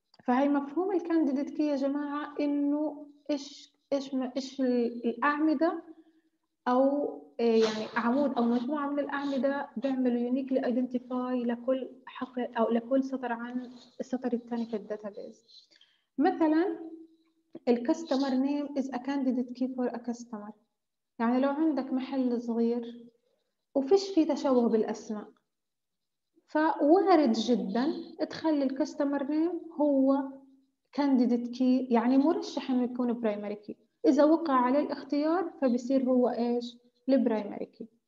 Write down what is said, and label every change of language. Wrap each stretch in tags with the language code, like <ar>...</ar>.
<ar>فهي مفهوم الكانديديت كي يا جماعة، إنه إيش الأعمدة أو يعني عمود أو مجموعة من الأعمدة بيعملوا يونيك لأيدنتيفاي لكل حقل أو لكل سطر عن السطر الثاني في الداتابيز. مثلاً</ar> <en>الكاستمر name is a candidate key for a customer.</en> <ar>يعني لو عندك محل صغير وفيش فيه تشابه بالأسماء، فوارد جداً تخلي الكاستمر نيم هو candidate key، يعني مرشح إنه يكون primary key. إذا وقع عليه الاختيار فبيصير هو إيش؟ primary key.</ar>